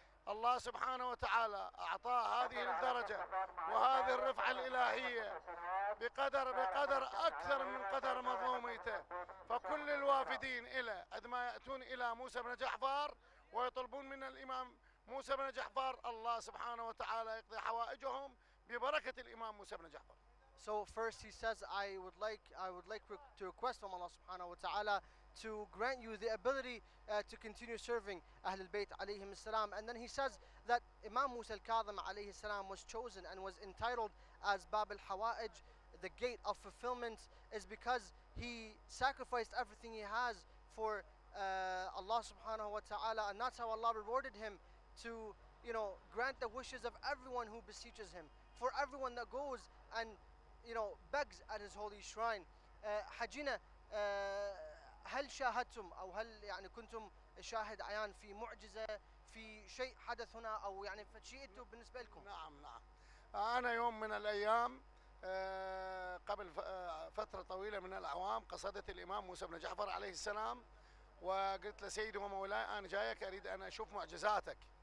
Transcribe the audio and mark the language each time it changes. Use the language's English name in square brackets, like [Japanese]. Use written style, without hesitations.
[Arabic] الله سبحانه وتعالى أعطاه هذه الدرجة وهذه الرفعة الإلهية بقدر أكثر من قدر مظلوميته. فكل الوافدين إلى عندما يأتون إلى موسى بن جعفر ويطلبون من الإمام موسى بن جعفر، الله سبحانه وتعالى يقضي حوائجهم ببركة الإمام موسى بن جعفر. [English] So first he says, I would like to request from Allah subhanahu wa ta'ala to grant you the ability to continue serving Ahlul Bayt alayhim salam. And then he says that Imam Musa al-Kadhim alayhi salam was chosen and was entitled as Bab al-Hawa'ij, the gate of fulfillment, is because he sacrificed everything he has for Allah subhanahu wa ta'ala, and that's how Allah rewarded him to, you know, grant the wishes of everyone who beseeches him, for everyone that goes and, you know, begs at his holy shrine. [Arabic] Hajina, هل شاهدتم أو هل يعني كنتم شاهد عيان في معجزة في شيء حدث هنا أو يعني فشيئتوا بالنسبة لكم؟ نعم نعم. أنا يوم من الأيام قبل فترة طويلة من الأعوام قصدت الإمام موسى بن جعفر عليه السلام وقلت له سيدي ومولاي أنا جايك أريد أن أشوف معجزاتك.